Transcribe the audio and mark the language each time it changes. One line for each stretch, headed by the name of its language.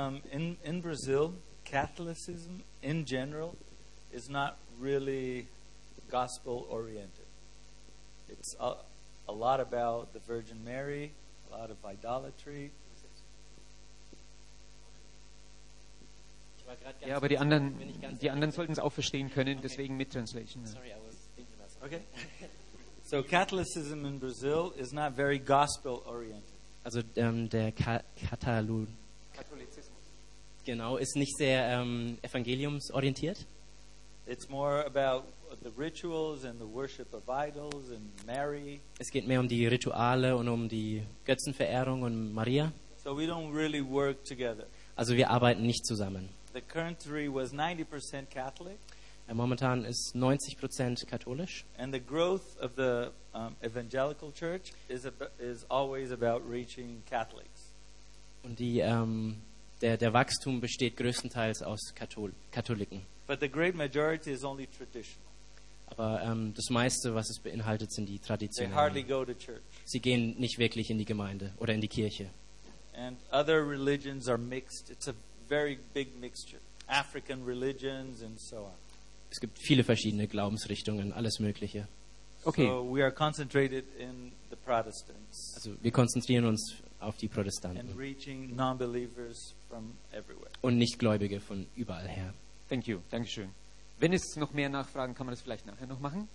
English: In Brazil, Catholicism in general is not really gospel oriented. It's a lot about the Virgin Mary, a lot of idolatry.
German: Ja, aber die anderen sollten es auch verstehen können, okay. Deswegen mit Translation.
English: Sorry, I was thinking about something. Okay. So Catholicism in Brazil is not very gospel oriented.
German: Also der Katalon. Genau, ist nicht sehr evangeliumsorientiert.
English: It's more about the rituals and the worship of idols and Mary.
German: Es geht mehr um die Rituale und um die Götzenverehrung und Maria.
English: So we don't really work together.
German: Also wir arbeiten nicht zusammen.
English: The country was 90% Catholic.
German: Momentan ist 90% katholisch.
English: And the growth of the evangelical church is always about reaching Catholics.
German: Und die der Wachstum besteht größtenteils aus Katholiken.
English: But the great majority is only traditional.
German: Aber das meiste, was es beinhaltet, sind die traditionellen.
English: They hardly go to church.
German: Sie gehen nicht wirklich in die Gemeinde oder in die Kirche.
English: And other religions are mixed. It's a very big mixture. African religions and so on.
German: Es gibt viele verschiedene Glaubensrichtungen, alles Mögliche.
English: Okay. So we are concentrated in the Protestants.
German: Also wir konzentrieren uns auf die Protestanten.
English: And reaching non-believers from everywhere.
German: Und Nichtgläubige von überall her.
English: Thank you.
German: Dankeschön. Wenn es noch mehr Nachfragen, kann man das vielleicht nachher noch machen?